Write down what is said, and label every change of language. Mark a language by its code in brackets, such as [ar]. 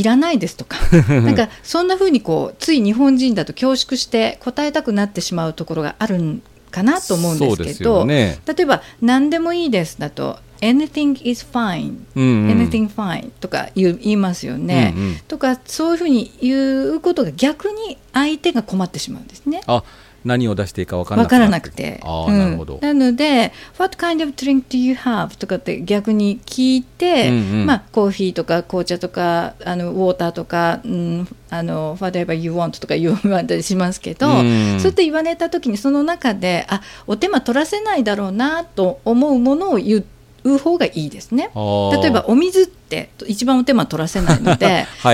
[ja] いらないですとかなんかそんな風にこうつい日本人だと恐縮して答えたくなってしまうところがあるんかなと思うんですけど、そうですよね。例えば何でもいいですだと [en] Anything is fine、 [ja] うんうん、 [en] Anything fine [ja] とか言いますよね、うんうん、とかそういうふうに言うことが逆に相手が困ってしまうんですね。あ、何を出していいか分からなくて、あ、なるほど、うん、なので [en] What kind of drink do you have? [ja] とかって逆に聞いて、うんうん、まあ、コーヒーとか紅茶とかウォーターとか、うん、 [en] Whatever you want [ja] とか言われたりしますけど、うん、そうやって言われた時に、その中で、あ、お手間取らせないだろうなと思うものを言って方がいいですね。例えばお水って一番お手間取らせないのでは